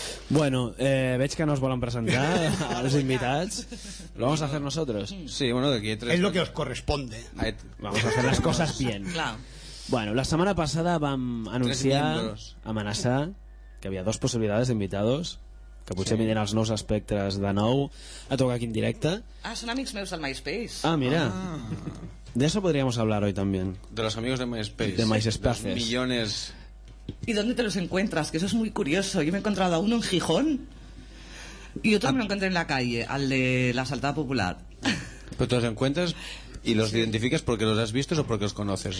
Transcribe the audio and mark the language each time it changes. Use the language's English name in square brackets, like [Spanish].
[Spanish] Bueno, [Catalan] veig [Spanish] que no os [Catalan] volen [Spanish] presentar a los invitados. ¿Lo vamos a hacer nosotros? Sí, bueno, de aquí hay tres. Es lo que os corresponde. Vamos a hacer las cosas bien. Claro. Bueno, la semana pasada [Catalan] vam anunciar, [Spanish] amenazar, que había dos posibilidades de invitados. [Catalan] Que potser vindran els nous espectres de nou a tocar aquí en directe. Ah, són amics meus del MySpace. [Spanish] Ah, mira. De eso podríamos hablar hoy también. De los amigos de MySpace. De MySpace. Millones. ¿Y dónde te los encuentras? Que eso es muy curioso. Yo me he encontrado a uno en Gijón. Y otro me lo encontré en la calle, al de la Asaltada Popular. Pero te los encuentras y los identificas porque los has visto o porque los conoces.